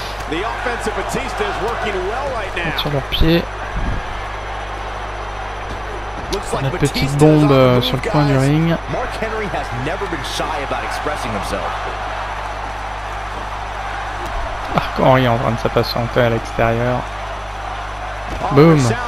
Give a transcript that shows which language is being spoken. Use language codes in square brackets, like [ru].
[en] The offense of Batista is working well right now. [fr] Sur leurs pieds. La petite bombe sur le coin du ring. [en] Mark Henry has never been shy about expressing himself. [fr] Mark Henry est en train de se patienter à l'extérieur. Boom.